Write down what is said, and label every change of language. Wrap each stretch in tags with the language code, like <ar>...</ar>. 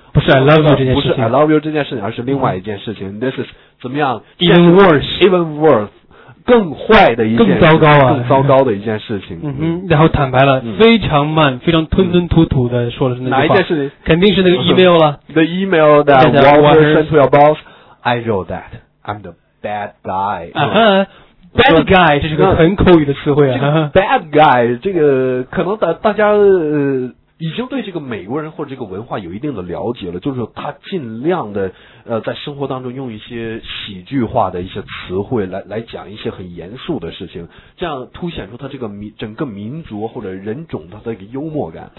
<zh>不是</zh> <en>I love you</en> <zh>这件事情，不是</zh> <en>I love you</en> <zh>这件事情，而是另外一件事情。嗯、</zh> <en>This is</en> <zh>怎么样</zh> <en>？Even worse， even worse，</en> <zh>更坏的一件，更糟糕啊，更糟糕的一件事情。嗯然后坦白了，非常慢，非常吞吞吐吐的说了那句话。哪一件事情？肯定是那个 email 了。</zh> <en>The email that Walter sent to your boss， I wrote that I'm the bad guy、 uh-huh.。</en> <zh>Bad guy 这是个很口语的词汇啊。这个、bad guy 这个可能大家已经对这个美国人或者这个文化有一定的了解了，就是他尽量的在生活当中用一些喜剧化的一些词汇来讲一些很严肃的事情，这样凸显出他这个整个民族或者人种他的一个幽默感。</zh>